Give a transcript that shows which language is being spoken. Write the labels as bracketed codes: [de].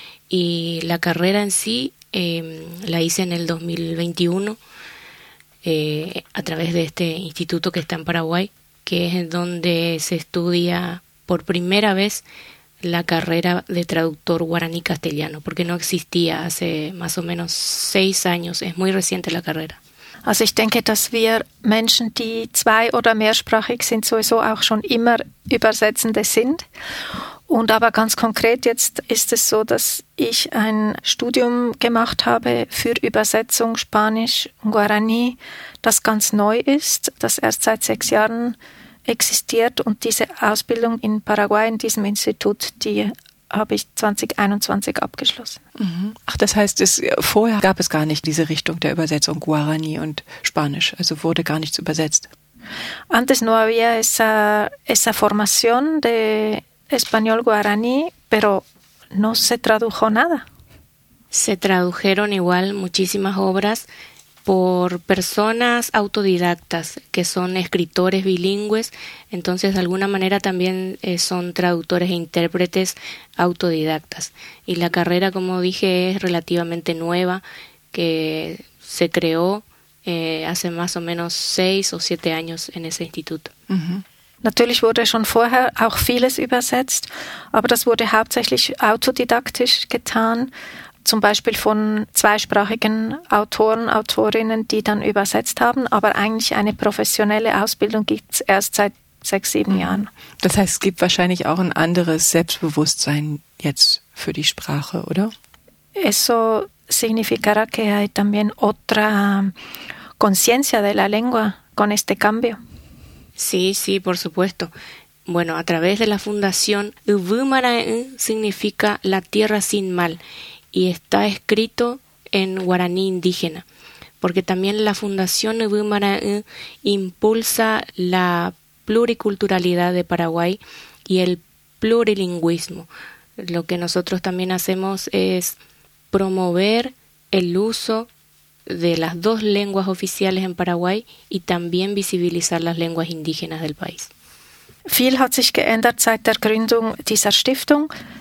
[es] Y la carrera en sí la hice en el 2021 a través de este instituto que está en Paraguay, que es donde se estudia por primera vez la carrera de traductor guaraní castellano, porque no existía hace más o menos 6 años, es muy reciente la carrera. [de] Also ich denke, dass wir Menschen, die zwei- oder mehrsprachig sind, sowieso auch schon immer Übersetzende sind. Und aber ganz konkret jetzt ist es so, dass ich ein Studium gemacht habe für Übersetzung Spanisch und Guarani, das ganz neu ist, das erst seit 6 Jahren existiert. Und diese Ausbildung in Paraguay in diesem Institut, die habe ich 2021 abgeschlossen. Ach, das heißt, vorher gab es gar nicht diese Richtung der Übersetzung Guarani und Spanisch, also wurde gar nichts übersetzt. [es] Antes no había esa formación de español guaraní, pero no se tradujo nada. Se tradujeron igual muchísimas obras por personas autodidactas, que son escritores bilingües, entonces de alguna manera también son traductores e intérpretes autodidactas. Y la carrera, como dije, es relativamente nueva, que se creó hace más o menos 6 o 7 años en ese instituto. [de] Natürlich wurde schon vorher auch vieles übersetzt, aber das wurde hauptsächlich autodidaktisch getan, zum Beispiel von zweisprachigen Autoren, Autorinnen, die dann übersetzt haben. Aber eigentlich eine professionelle Ausbildung gibt es erst seit 6, 7 Jahren. Das heißt, es gibt wahrscheinlich auch ein anderes Selbstbewusstsein jetzt für die Sprache, oder? [es] Eso significará que hay también otra conciencia de la lengua con este cambio. Sí, sí, por supuesto. Bueno, a través de la fundación, Uvumara'en significa la tierra sin mal y está escrito en guaraní indígena, porque también la fundación Uvumara'en impulsa la pluriculturalidad de Paraguay y el plurilingüismo. Lo que nosotros también hacemos es promover el uso de las 2 lenguas oficiales en Paraguay y también visibilizar las lenguas indígenas del país. [de] Viel hat sich geändert seit der Gründung dieser Stiftung.